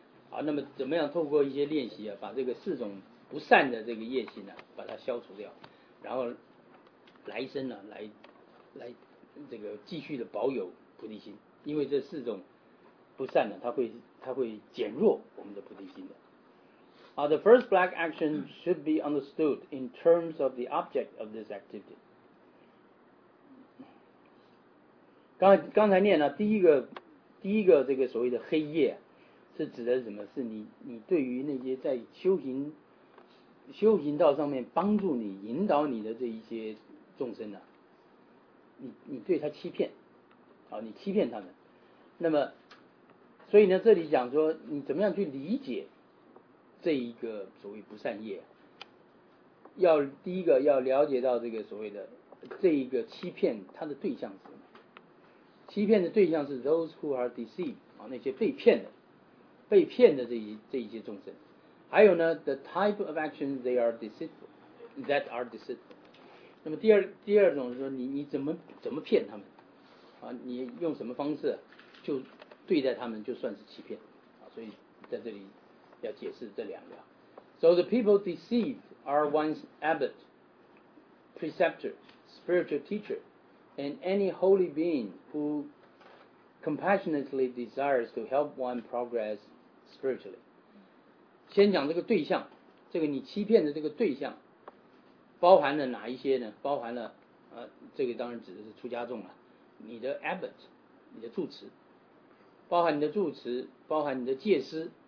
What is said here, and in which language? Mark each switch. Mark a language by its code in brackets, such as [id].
[zh] 好，那么怎么样透过一些练习啊，把这个四种不善的这个业行呢、啊，把它消除掉，然后来生呢、啊，来这个继续的保有菩提心，因为这四种不善呢，它会减弱我们的菩提心的。 [en] The first black action should be understood in terms of the object of this activity. [zh] 刚才念呢，第一个这个所谓的黑夜、啊，是指的是什么？是你对于那些在修行道上面帮助你、引导你的这一些众生呢、啊？你对他欺骗，好，你欺骗他们。那么，所以呢，这里讲说你怎么样去理解这一个所谓不善业、啊？要第一个要了解到这个所谓的这一个欺骗，他的对象是什么？欺骗的对象是 [en] those who are deceived， [zh] 啊，那些被骗的这一些众生。还有呢 [en] ，the type of action they are deceitful， that are deceitful。 [zh] 那么第二种是说你怎么骗他们啊，你用什么方式就对待他们就算是欺骗啊，所以在这里要解释这两个。 [en] So the people deceived are one's abbot, preceptor, spiritual teacher, and any holy being who compassionately desires to help one progress spiritually. [zh] 先讲这个对象，这个你欺骗的这个对象包含了哪一些呢？包含了，这个当然指的是出家众了。你的 abbot， 你的住持，包含你的住持，包含你的戒师。